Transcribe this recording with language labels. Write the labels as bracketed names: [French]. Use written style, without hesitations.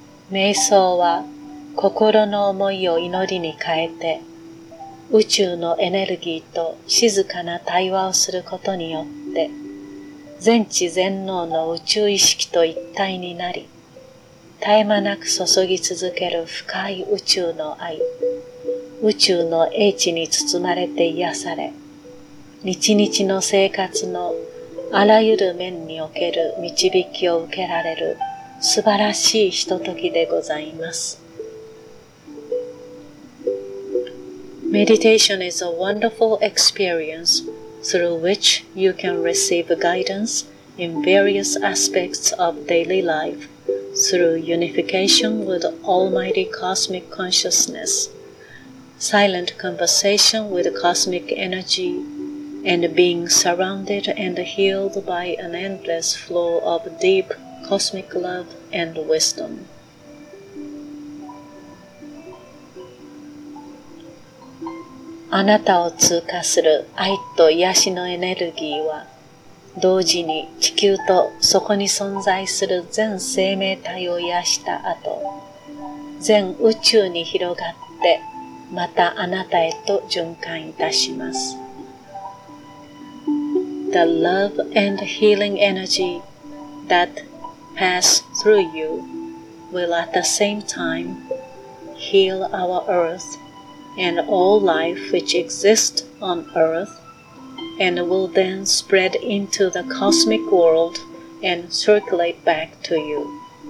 [Japanese] 瞑想は心の思いを祈りに変えて宇宙のエネルギーと静かな対話をすることによって全知全能の宇宙意識と一体になり絶え間なく注ぎ続ける深い宇宙の愛宇宙の英知に包まれて癒され日々の生活のあらゆる面における導きを受けられる素晴らしいひとときでございます。 [English] Meditation is a wonderful experience through which you can receive guidance in various aspects of daily life through unification with Almighty Cosmic Consciousness, silent conversation with cosmic energy, and being surrounded and healed by an endless flow of deepCosmic love and wisdom. [Japanese] あなたを通過する愛と癒しのエネルギーは、同時に地球とそこに存在する全生命体を癒した後、全宇宙に広がって、またあなたへと循環いたします。 [English] The love and healing energy thatPass through you will at the same time heal our earth and all life which exists on earth and will then spread into the cosmic world and circulate back to you.